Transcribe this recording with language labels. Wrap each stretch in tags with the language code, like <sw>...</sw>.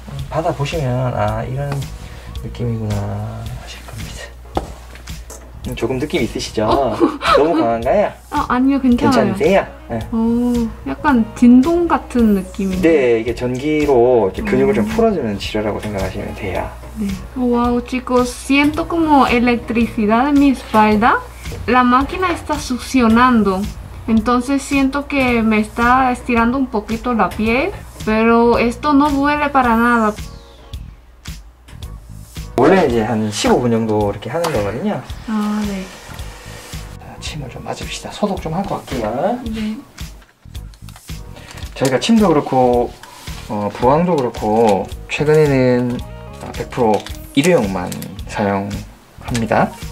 <ko>받아 보시면 아 이런 느낌이구나 하실 겁니다. 조금 느낌 있으시죠? 어? 너무 강한가요? 아 아니요 괜찮아요. 괜찮으세요? 어 네. 약간 진동 같은 느낌인데. 네 이게 전기로 이렇게 근육을 좀 풀어주는 치료라고 생각하시면 돼요. 네.</ko> <es>Oh, wow, chicos, siento como electricidad en mi espalda. La máquina está succionando. Entonces siento que me está estirando un poquito la piel, pero esto no duele para nada.</es> <ko>원래 이제 한 15분 정도 이렇게 하는 거거든요. 아, 네. 침을 좀 맞읍시다. 소독 좀 하고 갈게요. 네. 저희가 침도 그렇고 부항도 그렇고 최근에는 100% 일회용만 사용합니다.</ko>